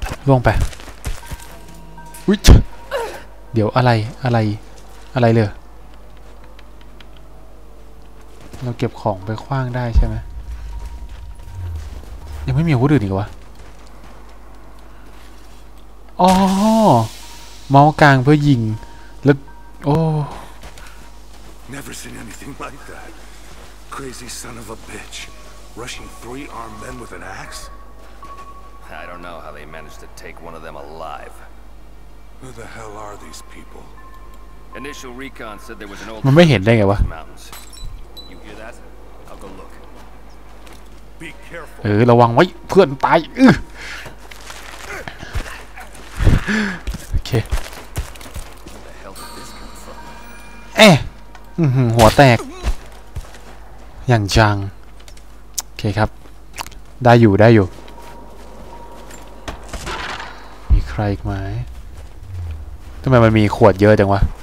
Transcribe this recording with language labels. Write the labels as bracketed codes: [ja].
[th] วงไปเดี๋ยวอะไรเลยเราเก็บของไปขว้างได้ใช่ไหมยังไม่มีอาวุธอื่นอีกวะอ๋อเมาส์กลางเพื่อยิงแล้วโอ้ [en] Never seen anything like that. Crazy son of a bitch. Rushing three armed men with an axe. I don't know how they managed to take one of them alive. Who the hell are these people? Initial recon said there was an old [th] มันไม่เห็นได้ไงวะ [en] You hear that? I'll go look. Be careful. [th] เออระวังไว้เพื่อนตายอื้อเอ๊หัวแตกอย่างจังโอเคครับได้อยู่มีใครอีกไหมทำไมมันมีขวดเยอะจังวะ